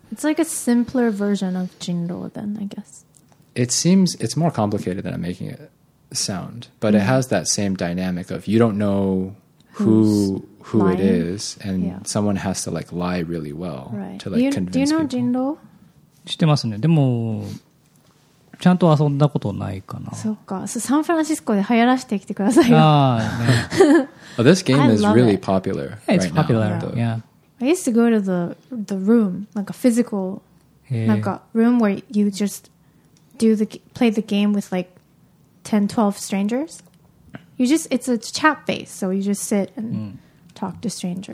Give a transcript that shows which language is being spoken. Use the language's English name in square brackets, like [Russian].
[English] It's like a simpler version of Jingdo then, I guess. It's more complicated than I'm making it sound. But it has that same dynamic of you don't know who it is. And someone has to like lie really well to like convince people. Do you know people. Jingdo? [Japanese] 知ってますね。でも、ちゃんと遊んだことないかな。そうか。サンフランシスコで流行らせてきてくださいよ。 [English] Oh, this game is really popular. Yeah, it's popular. Yeah. I used to go to the room, like a physical room where you just play the game with like 10, 12 strangers. It's a chat base, so you just sit and talk to strangers.